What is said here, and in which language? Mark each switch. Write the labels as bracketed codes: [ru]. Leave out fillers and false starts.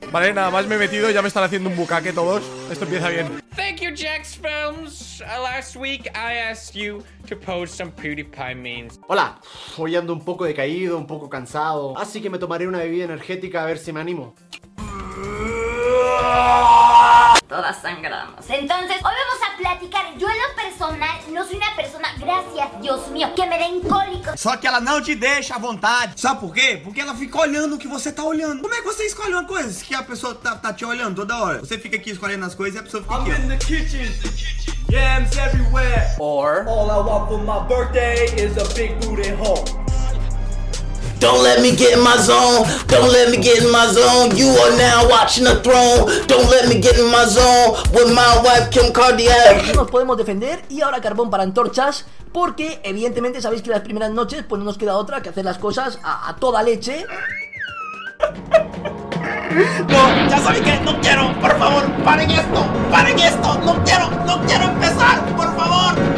[es] Vale, nada más me he metido, ya me están haciendo un bucaque todos. Esto empieza bien. [en] Thank you, Jax Films. Last week I asked you to post some PewDiePie memes. [es] Hola, hoy ando un poco decaído, un poco cansado. Así que me tomaré una bebida energética a ver si me animo. Todas sangramos. Entonces, hoy vamos a platicar. Yo en lo personal no soy una persona, gracias Dios mío, que me den cólicos. [pt] Só que ela não te deixa à vontade. Sabe por quê? Porque ela fica olhando o que você tá olhando. Como é que você escolhe uma coisa que a pessoa tá te olhando toda hora? Você fica aqui escolhendo as coisas e a pessoa fica aqui. [en] I'm in the kitchen. Yams everywhere. Or all I want for my birthday is a big booty hole. Don't let me get in my zone, don't let me get in my zone. You are now watching the throne. Don't let me get in my zone with my wife Kim Kardashian. [es] Nos podemos defender y ahora carbón para antorchas. Porque evidentemente sabéis que las primeras noches pues no nos queda otra que hacer las cosas a toda leche. No, ya sabéis que no quiero, por favor, paren esto, no quiero, no quiero empezar, por favor.